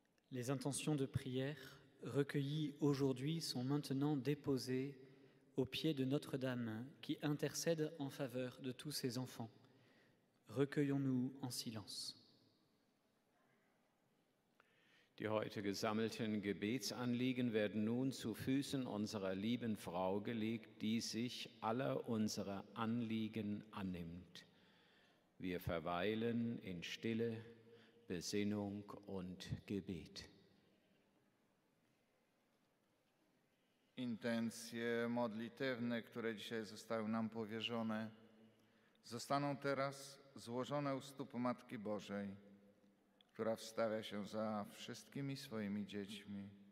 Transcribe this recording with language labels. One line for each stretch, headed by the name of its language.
French: Les intentions de prière recueillies aujourd'hui sont maintenant déposées aux pieds de Notre-Dame qui intercède en faveur de tous ses enfants. Recueillons-nous en silence.
German: Die heute gesammelten Gebetsanliegen werden nun zu Füßen unserer lieben Frau gelegt, die sich aller unserer Anliegen annimmt. Wir verweilen in Stille, Besinnung und Gebet.
Polish: Intencje modlitewne, które dzisiaj zostały nam powierzone, zostaną teraz złożone u stóp Matki Bożej, która wstawia się za wszystkimi swoimi dziećmi.